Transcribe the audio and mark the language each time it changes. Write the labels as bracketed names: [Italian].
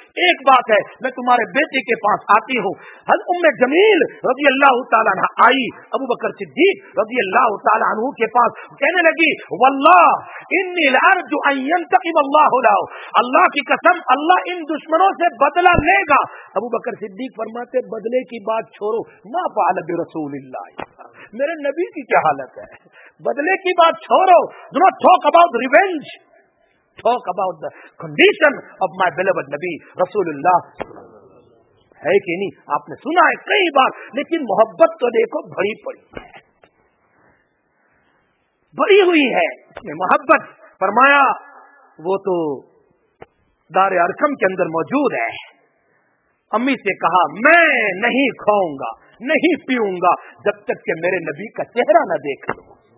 [Urdu] ایک بات ہے, میں تمہارے بیٹے کے پاس آتی ہوں. حضرت ام جمیل رضی اللہ تعالیٰ عنہ آئی ابو بکر صدیق رضی اللہ تعالیٰ عنہ کے پاس, کہنے لگی [Arabic] واللہ انی لارجو ان ینتقم اللہ لہو, [Urdu] اللہ کی قسم اللہ ان دشمنوں سے بدلہ لے گا. ابو بکر صدیق فرماتے بدلے کی بات چھوڑو, [Arabic] ما فعل برسول اللہ, [Urdu] میرے نبی کی کیا حالت ہے, بدلے کی بات چھوڑو. [English] Do not talk about revenge. Talk about the condition of my beloved Nabi, Rasulullah. [Urdu] ہے کہ نہیں, آپ نے سنا ہے کئی بار, لیکن محبت تو دیکھو بھری پڑی ہے, بھری ہوئی ہے محبت. فرمایا وہ تو دار ارکم کے اندر موجود ہے, امی سے کہا میں نہیں کھاؤں گا نہیں پیوں گا جب تک کہ میرے نبی کا چہرہ نہ دیکھ لوں.